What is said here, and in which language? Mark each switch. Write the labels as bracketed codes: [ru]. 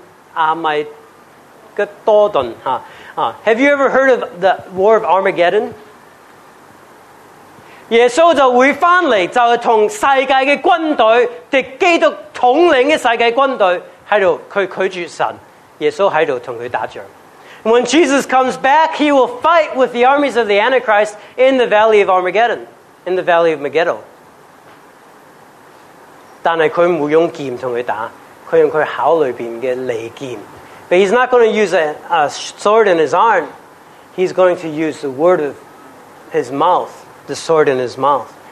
[zh] 所以耶稣是跟基督的，你有没有听过阿米格多顿？ [en] Have you ever heard of the War of Armageddon? [zh] 耶稣就会回来，就是跟世界的军队，敌基督统领的世界军队，在这里，他拒绝神，耶稣在这里跟他打仗。 [en] When Jesus comes back, he will fight with the armies of the Antichrist in the Valley of Armageddon, in the Valley of Megiddo. [zh] 但是他不用剑跟他打，他用他口里面的利剑。 [en] But he's not going to use a sword in his arm. He's going to use the word of his mouth, the sword in his mouth.